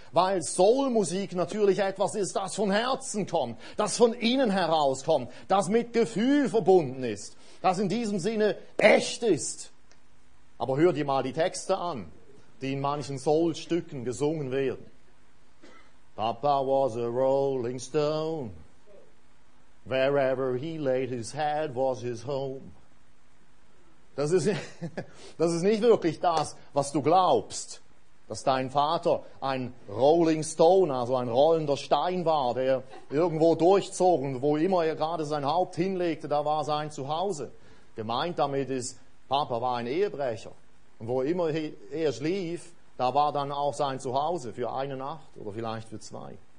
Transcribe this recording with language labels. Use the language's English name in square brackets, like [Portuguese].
[German] Weil Soul-Musik natürlich etwas ist, das von Herzen kommt, das von innen herauskommt, das mit Gefühl verbunden ist, das in diesem Sinne echt ist. Aber hör dir mal die Texte an, die in manchen Soul-Stücken gesungen werden. [English] Papa was a rolling stone. Wherever he laid his head was his home. [German] Das ist nicht wirklich das, was du glaubst, dass dein Vater ein Rolling Stone, also ein rollender Stein war, der irgendwo durchzog und wo immer er gerade sein Haupt hinlegte, da war sein Zuhause. Gemeint damit ist, Papa war ein Ehebrecher und wo immer er schlief, da war dann auch sein Zuhause für eine Nacht oder vielleicht für zwei.